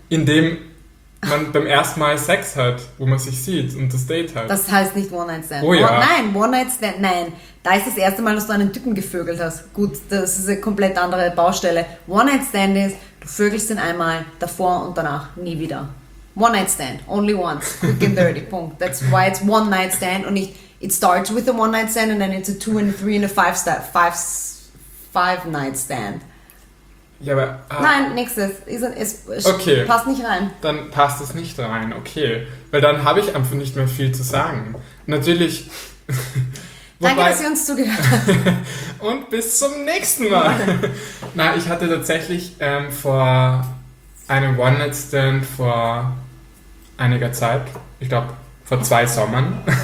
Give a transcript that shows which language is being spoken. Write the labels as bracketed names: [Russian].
[German] Indem man beim ersten Mal Sex hat, wo man sich sieht und das Date hat. Das heißt nicht One-Night-Stand. Oh ja. Nein, One-Night-Stand. Da ist das erste Mal, dass du einen Typen gevögelt hast. Gut, das ist eine komplett andere Baustelle. One-Night-Stand ist, du vögelst ihn einmal, davor und danach, nie wieder. [English] One-Night-Stand, only once, quick and dirty, Punkt. That's why it's One-Night-Stand [German] und nicht, [English] it starts with a One-Night-Stand and then it's a two and a three and a five-night-stand. [German] Ja, aber, Nein, nächstes. Passt nicht rein. Dann passt es nicht rein, okay. Weil dann habe ich einfach nicht mehr viel zu sagen. Natürlich. Danke, dass ihr uns zugehört habt. Und bis zum nächsten Mal. Nein, ich hatte tatsächlich vor einem One-Night-Stand vor einiger Zeit, ich glaube vor zwei Sommern.